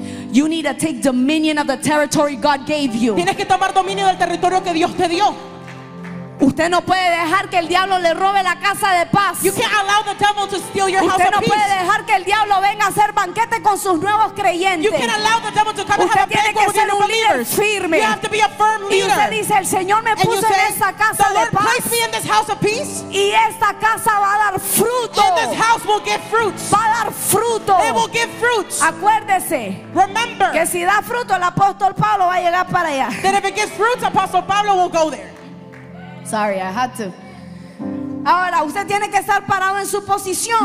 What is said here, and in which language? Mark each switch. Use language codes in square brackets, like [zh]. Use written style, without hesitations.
[en] You need to take dominion of the territory God gave you. [es] Tienes que tomar dominio del territorio que Dios te dio. Usted no puede dejar que el diablo le robe la casa de paz. [en] You can't allow the devil to steal your house of peace. [es] Usted no puede dejar que el diablo venga a hacer banquete con sus nuevos creyentes. [en] You can't allow the devil to come and [es] usted [en] have a banquet with your new believers. [es] Usted tiene que ser un líder firme. [en] You have to be a firm leader. [es] Y usted dice, el Señor me puso en esta casa de paz. [en] The Lord placed me in this house of peace. [es] Y esta casa va a dar fruto. [en] And this house will give fruits. [es] Va a dar fruto. [en] It will give fruits. [es] Acuérdese. [en] Remember. [es] Que si da fruto, el apóstol Pablo va a llegar para allá. [en] That if it gives fruits, Apostle Pablo will go there. Sorry, I had to. [es] Ahora, usted tiene que estar parado en su posición.